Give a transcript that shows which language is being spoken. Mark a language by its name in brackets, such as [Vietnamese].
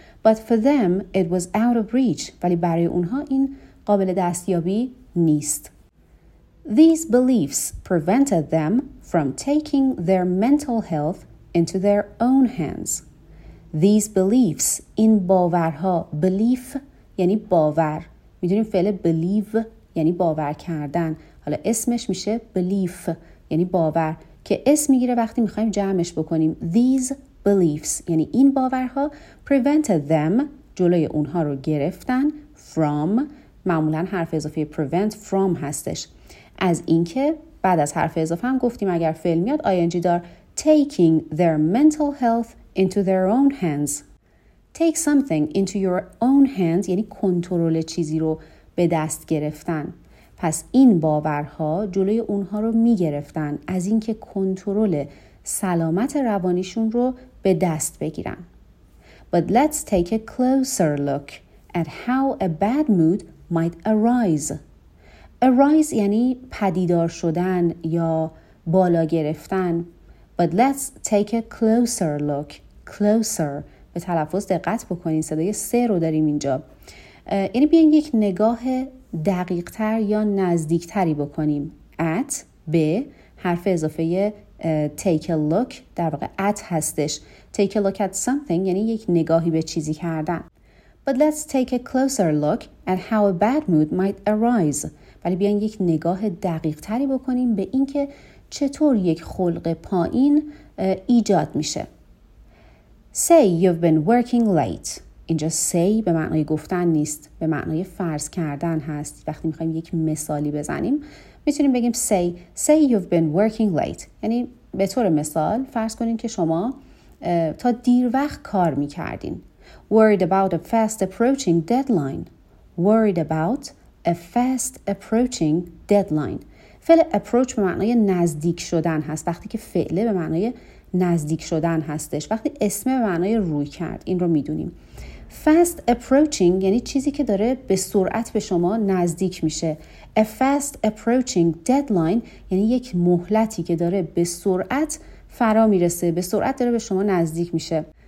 [English] But for them it was out of reach. [Persian] ولی برای اونها این قابل دستیابی نیست. [English] These beliefs prevented them from taking their mental health into their own hands. These beliefs, [Persian] این باورها, belief یعنی باور. میدونیم فعل believe یعنی باور کردن. حالا اسمش میشه belief یعنی باور که اسم میگیره وقتی میخواییم جمعش بکنیم. [English] These beliefs [Persian] یعنی این باورها [English] prevented them [Persian] جلوی اونها رو گرفتن from معمولا حرف اضافه prevent from هستش. از اینکه بعد از حرف اضافه هم گفتیم اگر فعل میاد ing دار [English] taking their mental health into their own hands. Take something into your own hands [Persian] یعنی کنترل چیزی رو به دست گرفتن. پس این باورها جلوی اونها رو میگرفتن از اینکه کنترل سلامت روانیشون رو به دست بگیرن. [English] But let's take a closer look at how a bad mood might arise. [Persian] Arise یعنی پدیدار شدن یا بالا گرفتن. [English] But let's take a closer look. Closer. [Persian] به تلفظ دقت بکنین. صدای سه رو داریم اینجا. یعنی بیاین یک نگاه دقیق تر یا نزدیک تری بکنیم. At به حرف اضافه [English] take a look [Persian] در واقع at هستش. [English] Take a look at something [Persian] یعنی یک نگاهی به چیزی کردن. [English] But let's take a closer look at how a bad mood might arise. [Persian] ولی بیاین یک نگاه دقیق تری بکنیم به اینکه چطور یک خلق پایین ایجاد میشه. [English] Say you've been working late. [Persian] اینجا say به معنای گفتن نیست، به معنای فرض کردن هست. وقتی میخواییم یک مثالی بزنیم میتونیم بگیم [English] say you've been working late. [Persian] یعنی به طور مثال فرض کنین که شما تا دیر وقت کار میکردین. [English] Worried about a fast approaching deadline. Worried about a fast approaching deadline. [Persian] فعل approach به معنای نزدیک شدن هست، وقتی که فعله به معنای نزدیک شدن هستش، وقتی اسم به معنای روی کرد، این رو میدونیم. [English] Fast approaching [Persian] یعنی چیزی که داره به سرعت به شما نزدیک میشه. [English] A fast approaching deadline [Persian] یعنی یک مهلتی که داره به سرعت فرا میرسه، به سرعت داره به شما نزدیک میشه.